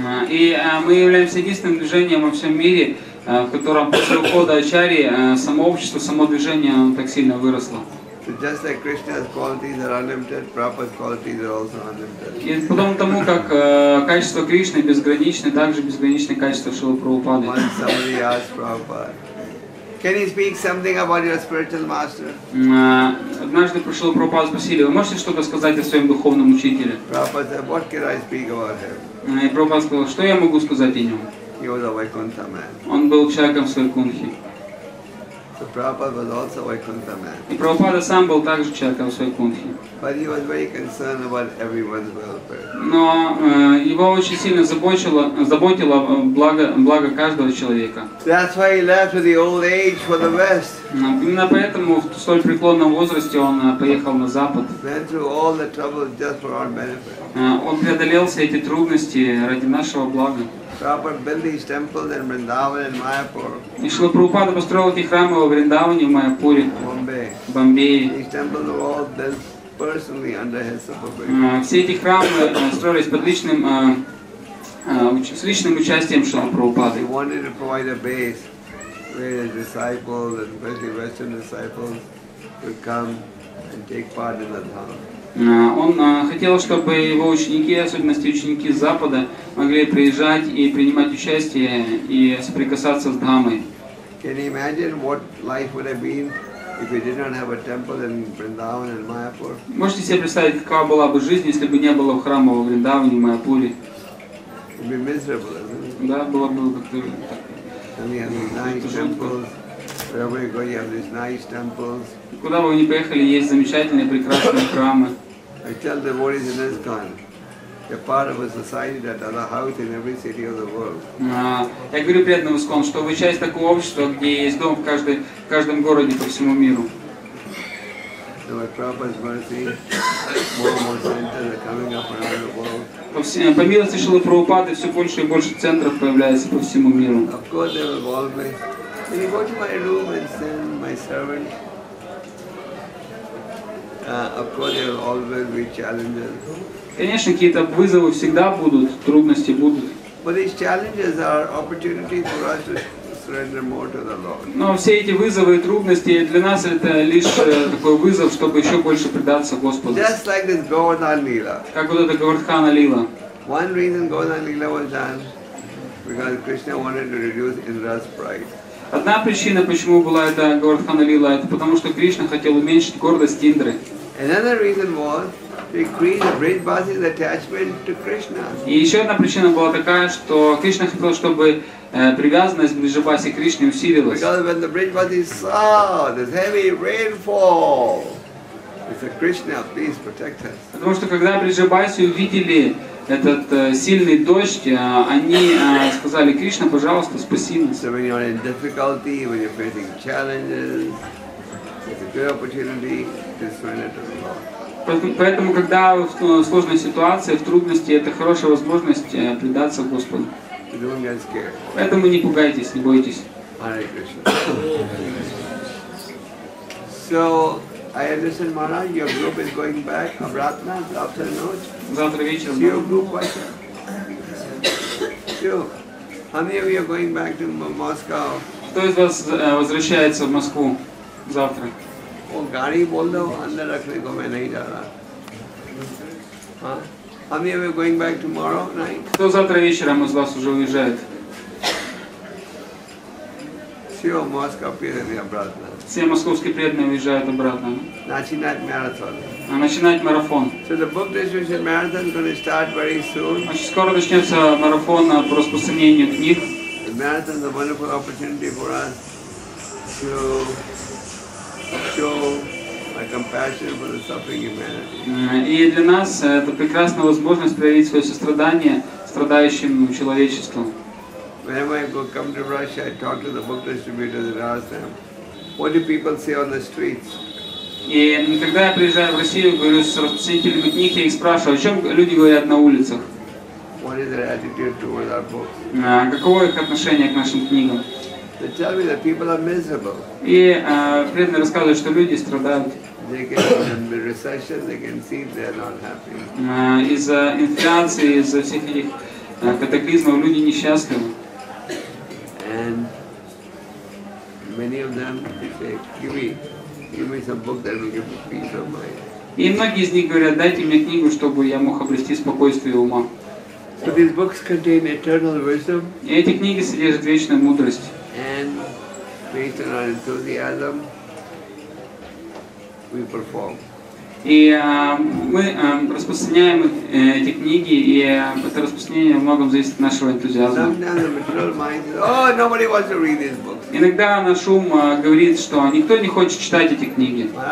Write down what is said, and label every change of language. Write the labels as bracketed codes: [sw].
[ru] И мы являемся единственным движением во всем мире, в котором после ухода Ачарьи само общество, само движение так сильно выросло. [en] Just like Krishna's qualities are unlimited, Prabhupada's qualities are also unlimited. [ru] И потом тому, как качество Кришны безграничны, также безграничны качества Шрилы Прабхупады. [en] Once somebody asked Prabhupada, can you speak something about your spiritual master? [ru] Однажды пришел Прабхупада, спросили, вы можете что-то сказать о своем духовном учителе? [en] Prabhupada said, what can I speak about him? [ru] И Прабхупада сказал, что я могу сказать о нем? [en] He was a Vaikuntha man. [ru] Он был человеком с Вайкунхи. [en] So Prabhupada was also a Vaikuntha man. [ru] И Прабхупада сам был также человеком Вайкунхи. [en] But he was very concerned about everyone's welfare. [ru] Но его очень сильно заботило благо каждого человека. [en] That's why he left with the old age for the West. [ru] Именно поэтому в столь преклонном возрасте он поехал на Запад. [en] Went through all the troubles just for our benefit. [ru] Он преодолел все эти трудности ради нашего блага. [en] Prabhupada built these temples in Vrindavan and Mayapur. [ru] И Шрила Прабхупада построил эти храмы во Вриндаване, в Майяпуре, в Бомбее. [en] These temples were all built personally under his supervision. [ru] Все эти храмы строились под личным с личным участием Шрилы Прабхупады. [en] He wanted to provide a base where his disciples, especially Western disciples, could come and take part in the dharma. [ru] Он хотел, чтобы его ученики, особенности ученики Запада, могли приезжать и принимать участие и соприкасаться с Дхаммой. [en] Can you imagine what life would have been if we did not have a temple in Vrindavan and Mayapur? [ru] Можете себе представить, какова была бы жизнь, если бы не было храма во Вриндаване и Майяпуре? [en] It'd be miserable, isn't it? [ru] Да, было бы как-то. [en] I mean, nice temples. Wherever you go, you have these nice temples. [ru] Куда бы вы ни поехали, есть замечательные, прекрасные храмы. [en] I tell the devotees in ISKCON, they're part of a society that has a house in every city of the world. [ru] Я говорю преданным ISKCON, что вы часть такого общества, где есть дом в каждом городе по всему миру. [en] So by Prabhupada's mercy, more and more centers are coming up around the world. [ru] По милости Шрилы Прабхупады, все больше и больше центров появляется по всему миру. [en] Of course, they will evolve me. Can you go to my room and send my servant? Of course, there will always be challenges. [ru] Конечно, какие-то вызовы всегда будут, трудности будут. [en] But these challenges are opportunities for us to surrender more to the Lord. [ru] Но все эти вызовы и трудности для нас это лишь такой вызов, чтобы еще больше предаться Господу. [en] Just like this Govardhan Lila. [ru] Как вот эта Говардхана Лила. [en] One reason Govardhan Lila was done because Krishna wanted to reduce Indra's pride. [ru] Одна причина, почему была эта Говардхана Лила, это потому, что Кришна хотел уменьшить гордость Индры. [en] Another reason was to increase Vrijbasi's attachment to Krishna. [ru] И еще одна причина была такая, что Кришна хотел, чтобы привязанность к Вриджбаси Кришне усилилась. [en] Because when the Vrijbasi saw this heavy rainfall, he said, Krishna, please protect us. [ru] Потому что когда Вриджбаси увидели этот сильный дождь, они сказали, Кришна, пожалуйста, спаси нас. [en] So when you're in difficulty, when you're facing challenges, it's a good opportunity to surrender to the Lord. [ru] Поэтому, когда вы в сложной ситуации, в трудности, это хорошая возможность предаться Господу. [en] You don't get scared. [ru] Поэтому не пугайтесь, не бойтесь. [en] Hare Krishna. So, I understand, Maharaj, your group is going back, Abratna, after noach. [ru] Завтра вечером. [en] See your group, Vaisha. So, how many of you are going back to Moscow? [ru] Кто из вас возвращается в Москву завтра? О, гари болдо, андер ракне ко мэ нэй жара. [en] How many of you are going back tomorrow night? [ru] Кто завтра вечером из вас уже уезжает? [en] See your Moscow, Piranha, Abratna. [ru] Все московские преданные уезжают обратно. Начинать марафон. Начинать марафон. [en] So the book distribution marathon is going to start very soon. [ru] Очень скоро начнется марафон по распространению книг. [en] The marathon is a wonderful opportunity for us to show our compassion for the suffering humanity. [ru] И для нас это прекрасная возможность проявить свое сострадание страдающим человечеству. [en] Whenever I come to Russia, I talk to the book distributors and ask them. What do people say on the streets? [ru] И когда я приезжаю в Россию, говорю с распространителями книг, я их спрашиваю, о чем люди говорят на улицах? [en] What is their attitude towards our books? [ru] Каково их отношение к нашим книгам? [en] They tell me that people are miserable. [ru] И преданные рассказывают, что люди страдают. [en] They can see the recession. They can see they are not happy. [ru] Из-за инфляции, из-за всех этих катаклизмов люди несчастливы. [en] And many of them say, give me some book that will give me peace of mind. [ru] И многие из них говорят, дайте мне книгу, чтобы я мог обрести спокойствие ума. [en] So these books contain eternal wisdom. [ru] И эти книги содержат вечную мудрость. [en] And based on our enthusiasm, we perform. [ru] И мы распространяем эти книги, и это распространение во многом зависит от нашего энтузиазма. Иногда наш ум говорит, что никто не хочет читать эти книги.